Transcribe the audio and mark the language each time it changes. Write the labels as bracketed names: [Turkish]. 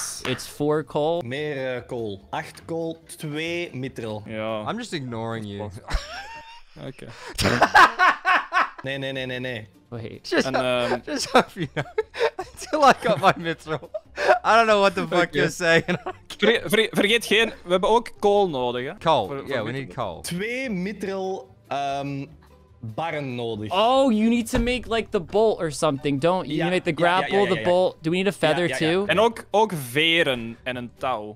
[English] It's four coal. [Dutch] Meer coal. Acht coal, twee mithril. [English] Yeah. I'm just ignoring you. Okay. [Dutch] Nee. [English] Wait. Just hope you know. Until I got my mithril. I don't know what the fuck you're saying. [Dutch] Vergeet geen, we hebben ook coal nodig. Hè? [English] Coal. Yeah, we need coal. [Dutch] Twee mithril, barren nodig. [English] Oh, you need to make like the bolt or something, don't you? Yeah. You need to make the grapple, the bolt. Do we need a feather too? Yeah. [Dutch] And ook veren en een touw.